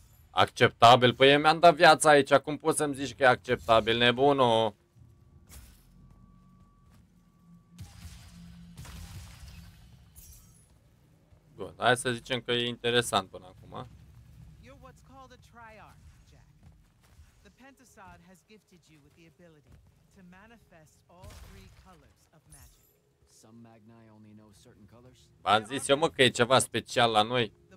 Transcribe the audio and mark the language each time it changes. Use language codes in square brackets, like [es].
[ro] Acceptabil? Păi mi-am dat viața aici, acum poți să-mi zici că e acceptabil, nebunul? Bun, hai să zicem că e interesant până acum. [en] You're what's called a triarch, Jack. The Pentasod has gifted you with the ability to manifest all three colors of magic. Some magni only know certain colors. [ro] V-am zis eu, mă, că e ceva special la noi.